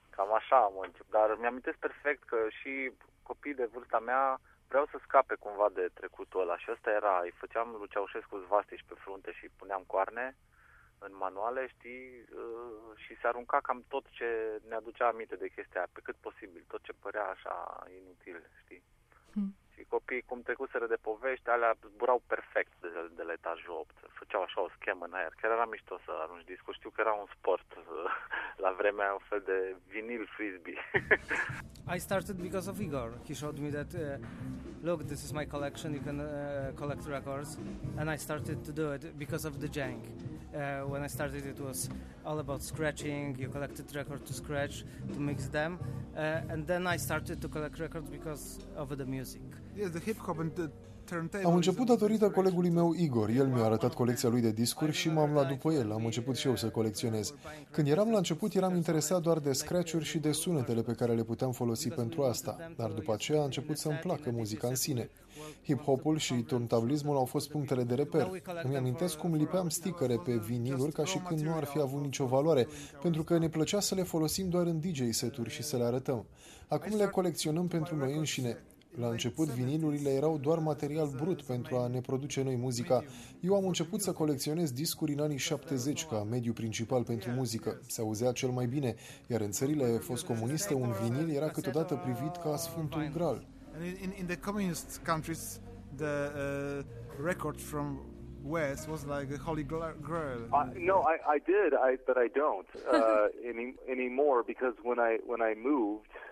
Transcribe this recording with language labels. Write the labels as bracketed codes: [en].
[ro] Cam așa am început, dar mi-amintesc perfect că și copiii de vârsta mea vreau să scape cumva de trecutul ăla și ăsta era, îi făceam lui Ceaușescu zvastici pe frunte și puneam coarne în manuale, știi, și se arunca cam tot ce ne aducea aminte de chestia aia, pe cât posibil, tot ce părea așa inutil, știi. Și copiii, cum trecuseră de povești, alea zburau perfect de la etajul 8. Făceau așa o schemă în aer. Chiar era mișto să arunci discul. Știu că era un sport la vremea aia, un fel de vinil frisbee. [en] I started because of Igor. He showed me that, look, this is my collection, you can collect records. And I started to do it because of the Jank. When I started, it was all about scratching. You collected records to scratch, to mix them. And then I started to collect records because of the music. Yes, the hip-hop and the turntable. [ro] Am început datorită colegului meu Igor. El mi-a arătat colecția lui de discuri și m-am luat după el. Am început și eu să colecționez. Când eram la început, eram interesat doar de scratch-uri și de sunetele pe care le puteam folosi pentru asta. Dar după aceea a început să-mi placă muzica în sine. Hip-hopul și turntablismul au fost punctele de reper. Îmi amintesc cum lipeam stickere pe viniluri ca și când nu ar fi avut nicio valoare, pentru că ne plăcea să le folosim doar în DJ seturi și să le arătăm. Acum le colecționăm pentru noi înșine. La început, vinilurile erau doar material brut pentru a ne produce noi muzica. Eu am început să colecționez discuri în anii 70 ca mediu principal pentru muzică. Se auzea cel mai bine, iar în țările fost comuniste, un vinil era câteodată privit ca Sfântul Graal. [en] In the communist countries, the record from West was like a holy grail. No, I did, but I don't anymore because when I moved